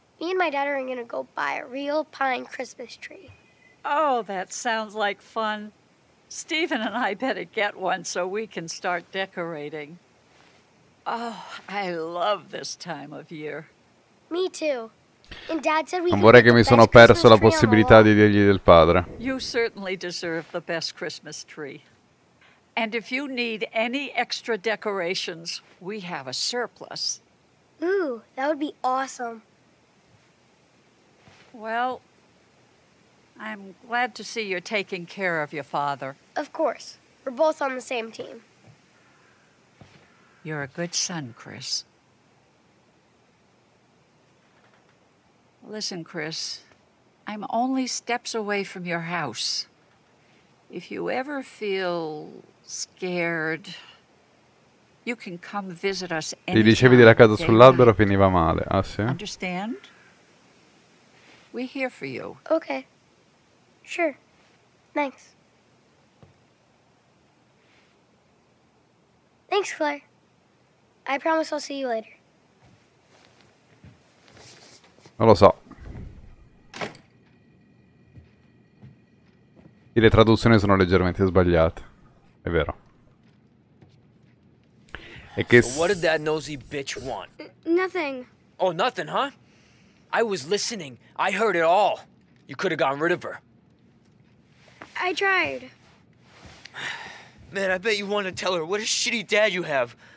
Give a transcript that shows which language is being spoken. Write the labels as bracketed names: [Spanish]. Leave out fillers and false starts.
[English] Me and my dad are gonna go buy a real pine Christmas tree. Oh, that sounds like fun. Stephen and I better get one so we can start decorating. Oh, I love this time of year. Me too. And dad said we [Italian] non vorrei che mi sono perso la possibilità di dirgli del padre. [English] You certainly deserve the best Christmas tree. And if you need any extra decorations, we have a surplus. Ooh, that would be awesome. Well, I'm glad to see you're taking care of your father. Of course. We're both on the same team. You're a good son, Chris. Listen, Chris, I'm only steps away from your house. If you ever feel scared, you can come visit us anytime. [Italian] Gli dicevi della casa sull'albero, finiva male. Ah, sì? [English] Understand? We're here for you. Okay. Sure. Thanks. Thanks, Claire. I promise I'll see you later. [Italian] Non lo so. E le traduzioni sono leggermente sbagliate. È vero. [English] So what did that nosy bitch want? Nothing. Oh, nothing, huh? I was listening. I heard it all. You could have gotten rid of her. I tried. Man, I bet you wanted to tell her what a shitty dad you have.